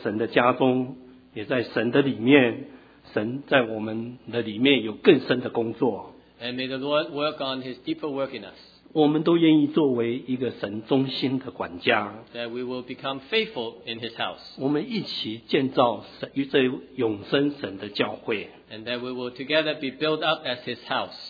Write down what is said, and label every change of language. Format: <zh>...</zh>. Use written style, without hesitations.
<zh>但愿今年我们每一位在神的家中也在神的里面, 神在我们的里面有更深的工作。</zh> <en>And may the Lord work on his deeper work in us.</en> <zh>我们都愿意作为一个神忠心的管家。</zh> <en>That we will become faithful in his house.</en> <zh>我们一起建造神与这永生神的教会。</zh> <en>And that we will together be built up as his house.</en>